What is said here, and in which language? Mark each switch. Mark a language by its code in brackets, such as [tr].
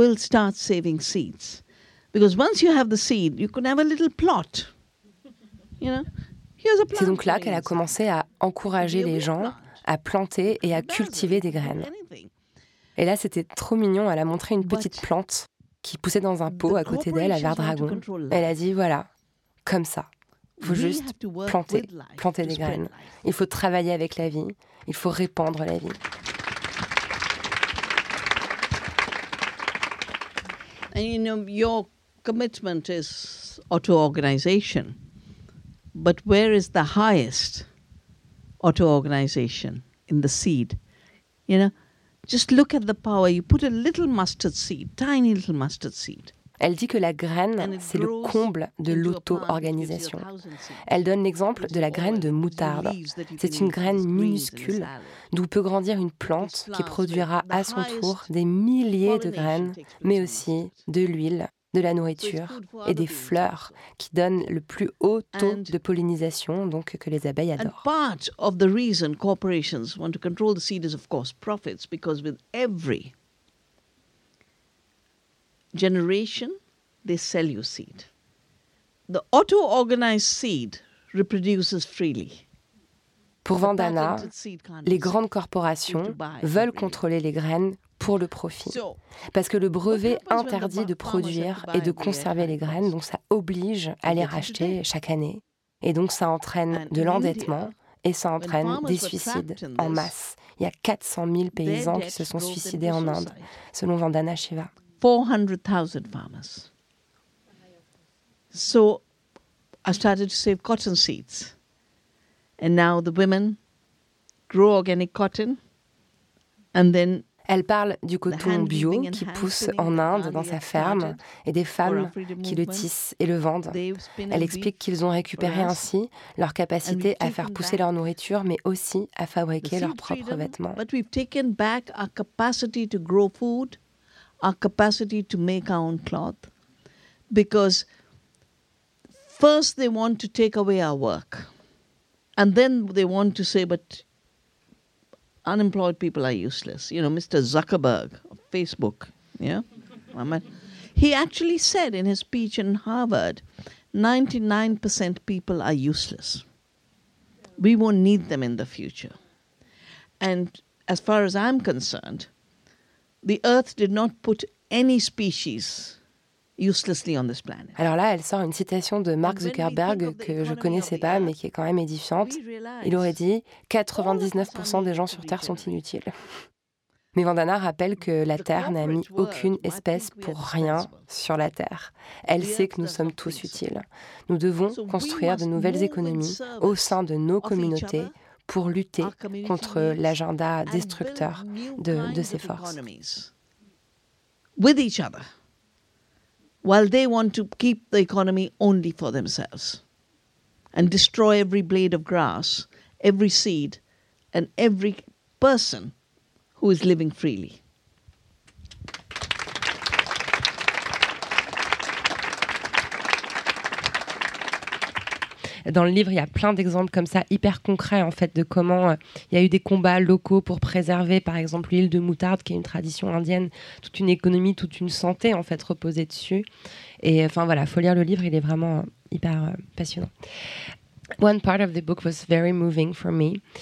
[en] Because once you have the seed, you can have a little plot. You know, here's a plot. [fr] C'est donc là qu'elle a commencé à encourager les gens à planter et à cultiver des graines. Et là, c'était trop mignon. Elle a montré une petite plante qui poussait dans un pot à côté d'elle, à Verdragon. Elle a dit, voilà, comme ça, il faut juste planter des graines. Il faut travailler avec la vie. Il faut répandre la vie. [en] And you know, your commitment is auto-organization, but where is the highest auto-organization in the seed? You know, just look at the power. You put a little mustard seed, tiny little mustard seed. [fr] Elle dit que la graine, c'est le comble de l'auto-organisation. Elle donne l'exemple de la graine de moutarde. C'est une graine minuscule d'où peut grandir une plante qui produira à son tour des milliers de graines, mais aussi de l'huile, de la nourriture et des fleurs qui donnent le plus haut taux de pollinisation, donc que les abeilles adorent. [en] Et part of the reason corporations want to control the seed is of course profits, because with every generation, they sell you seed. The auto-organized seed reproduces freely. [fr] Pour Vandana, les grandes corporations veulent contrôler les graines pour le profit. Parce que le brevet interdit de produire et de conserver les graines, donc ça oblige à les racheter chaque année. Et donc ça entraîne de l'endettement et ça entraîne des suicides en masse. Il y a 400 000 paysans qui se sont suicidés en Inde, selon Vandana Shiva. [en] 400,000 farmers. So I started to save cotton seeds. And now the women grow organic cotton. And then [fr] elle parle du coton bio qui pousse en Inde dans sa ferme et des femmes qui le tissent et le vendent. Elle explique qu'ils ont récupéré ainsi leur capacité à faire pousser leur nourriture, mais aussi à fabriquer leurs propres vêtements. [en] But we've taken back our capacity to grow food, our capacity to make our own cloth, because first they want to take away our work, and then they want to say, but unemployed people are useless. You know, Mr. Zuckerberg of Facebook, yeah? He actually said in his speech in Harvard, 99% people are useless. We won't need them in the future. And as far as I'm concerned, the earth did not put any species uselessly on this planet. [fr] Alors là, elle sort une citation de Mark Zuckerberg que je connaissais pas, mais qui est quand même édifiante. Il aurait dit 99% des gens sur Terre sont inutiles. Mais Vandana rappelle que la Terre n'a mis aucune espèce pour rien sur la Terre. Elle sait que nous sommes tous utiles. Nous devons construire de nouvelles économies au sein de nos communautés pour lutter contre l'agenda destructeur de ces forces. [en] With each other, while they want to keep the economy only for themselves and destroy every blade of grass, every seed, and every person who is living freely. [fr] Dans le livre, il y a plein d'exemples comme ça, hyper concrets, en fait, de comment il y a eu des combats locaux pour préserver, par exemple, l'huile de moutarde, qui est une tradition indienne, toute une économie, toute une santé, en fait, reposée dessus. Et enfin, voilà, il faut lire le livre, il est vraiment hyper passionnant. [en] One part of the book was very moving for me.